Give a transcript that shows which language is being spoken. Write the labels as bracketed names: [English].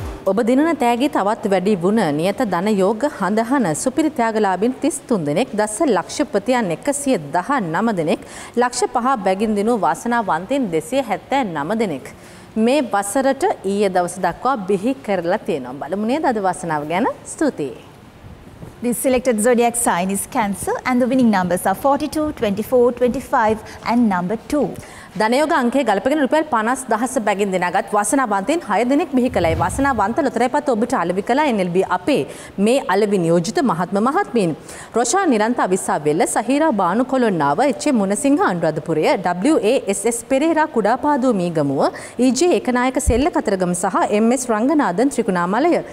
[Sinhala] ඔබ දිනන තෑගේ තවත් වැඩි වුණ නියත ධන යෝග හඳහන සුපිරි ත්‍යාගලාභින් 33 දෙනෙක් දස ලක්ෂපතියන් 119 දෙනෙක් ලක්ෂ 5 බැගින් දිනු වාසනාවන්තින් 279 දෙනෙක් මේ වසරට ඊයේ දවස දක්වා බිහි කරලා තියෙනවා බලමු නේද අද වාසනාව ගැන ස්තුති [English] The selected zodiac sign is Cancer and the winning numbers are 42, 24, 25 and number 2. [Sinhala] ධනයෝග අංකයේ ගල්පගෙන රුපියල් 50,000 බැගින් දිනාගත් වාසනාවන්තින් 6 දිනක් බිහි කළයි. වාසනාවන්ත ලොතරැපත් ඔබට අලෙවි කළා NLB අපේ මේ අලෙවි නියෝජිත මහත්ම මහත්මීන්. රොෂා නිරන්ත අවිස්සාවෙල්ල, සහීරා බානුකොළොන්නාව, H.A.. Munasinghe අනුරාධපුරය, WASS Perera කුඩාපාදුව Meegamuwa, EJ Ekanayake සෙල්ල Kataragama සහ MS රංගනාදන් ත්‍රිකුණාමලය.